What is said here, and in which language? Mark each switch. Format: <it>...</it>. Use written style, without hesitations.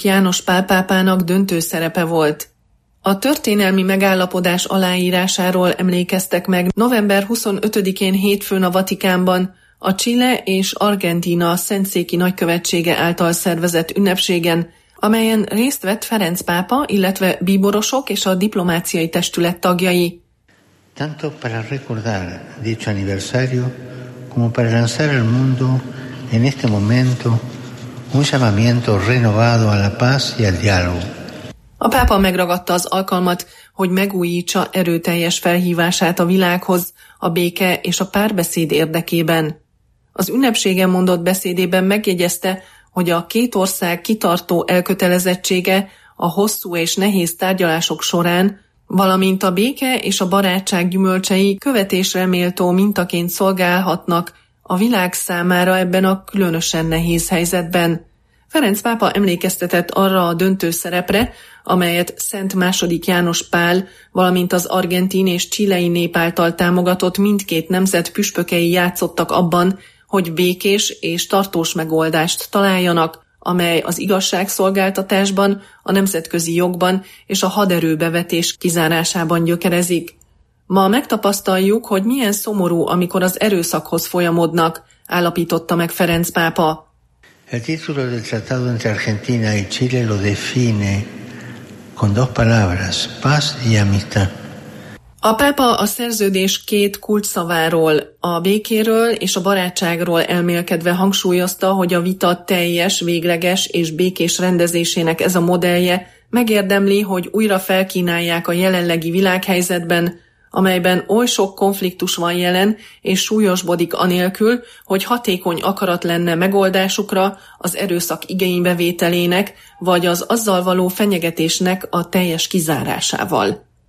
<hu>János Pál pápának döntő szerepe volt. A történelmi megállapodás aláírásáról emlékeztek meg november 25-én hétfőn a Vatikánban a Chile és Argentína Szentszéki Nagykövetsége által szervezett ünnepségen, amelyen részt vett Ferenc pápa, illetve bíborosok és a diplomáciai testület tagjai.</hu> <es>Tanto para recordar dicho aniversario, como para lanzar al mundo en este momento un llamamiento renovado a la paz y al diálogo.</es> <hu>A pápa megragadta az alkalmat, hogy megújítsa erőteljes felhívását a világhoz a béke és a párbeszéd érdekében. Az ünnepségen mondott beszédében megjegyezte, hogy a két ország kitartó elkötelezettsége a hosszú és nehéz tárgyalások során, valamint a béke és a barátság gyümölcsei követésre méltó mintaként szolgálhatnak a világ számára ebben a különösen nehéz helyzetben. Ferenc pápa emlékeztetett arra a döntő szerepre, amelyet Szent II. János Pál, valamint az argentin és chilei nép által támogatott mindkét nemzet püspökei játszottak abban, hogy békés és tartós megoldást találjanak, amely az igazságszolgáltatásban, a nemzetközi jogban és a haderőbevetés kizárásában gyökerezik. Ma megtapasztaljuk, hogy milyen szomorú, amikor az erőszakhoz folyamodnak, állapította meg Ferenc pápa.</hu> <es>El título del tratado entre Argentina y Chile lo define con dos palabras, paz y amistad.</es> <hu>A pápa a szerződés két kulcsszaváról, a békéről és a barátságról elmélkedve hangsúlyozta, hogy a vita teljes, végleges és békés rendezésének ez a modellje megérdemli, hogy újra felkínálják a jelenlegi világhelyzetben, amelyben oly sok konfliktus van jelen és súlyosbodik anélkül, hogy hatékony akarat lenne megoldásukra, az erőszak igénybevételének, vagy az azzal való fenyegetésnek a teljes kizárásával.</hu>